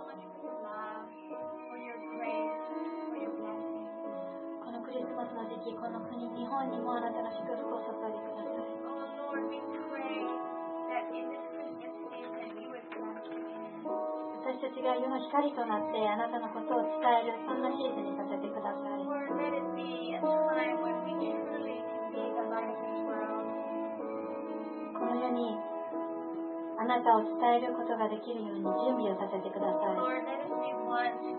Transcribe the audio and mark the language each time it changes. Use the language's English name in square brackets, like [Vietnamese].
[English] Thank you so much for your love, for your grace, for your blessing. [Japanese] このクリスマスの時期、この国、日本にもあなたの祝福を注いでください。 [English] Oh Lord, we pray that in this Christmas season, you would bless us. [Japanese] 私たちが世の光となって、あなたのことを伝える、そんなシーズンにさせてください。 [English] Lord, let it be a time when we can really be the light of this world. [Japanese] この世にあなたを伝えることができるように準備をさせてください。